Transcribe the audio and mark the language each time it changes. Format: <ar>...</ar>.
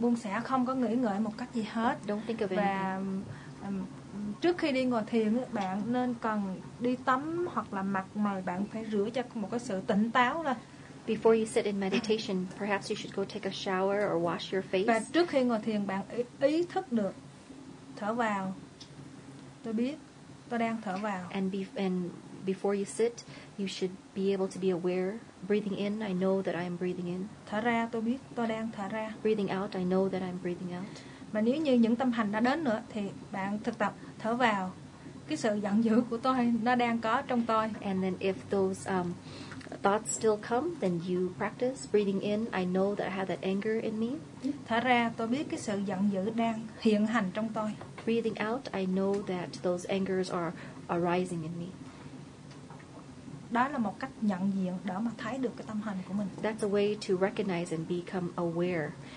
<vi>Buông xả không có nghĩ ngợi một cách gì hết.</vi> <en>Don't think of</en> <vi>và</vi> <en>anything.</en> <vi>Trước khi đi ngồi thiền, bạn nên cần đi tắm hoặc là mặt mày bạn phải rửa cho một cái sự tỉnh táo ra.</vi> <en>Before you sit in meditation, perhaps you should go take a shower or wash your face.</en> <vi>Và trước khi ngồi thiền, bạn ý thức được thở vào. Tôi biết, tôi đang thở vào.</vi> <en>And before you sit, you should be able to be aware. Breathing in, I know that I am breathing in.</en> <vi>Thở ra, tôi biết, tôi đang thở ra.</vi> <en>Breathing out, I know that I'm breathing out.</en> <vi>Mà nếu như những tâm hành đã đến nữa thì bạn thực tập thở vào, cái sự giận dữ của tôi nó đang có trong tôi.</vi> <en>And then if those thoughts still come, then you practice breathing in, I know that I have that anger in me.</en> <vi>Thở ra, tôi biết cái sự giận dữ đang hiện hành trong tôi.</vi> <en>Breathing out, I know that those angers are arising in me.</en> <vi>Đó là một cách nhận diện để mà thấy được cái tâm hành của mình.</vi> <en>That's a way to recognize and become aware.</en>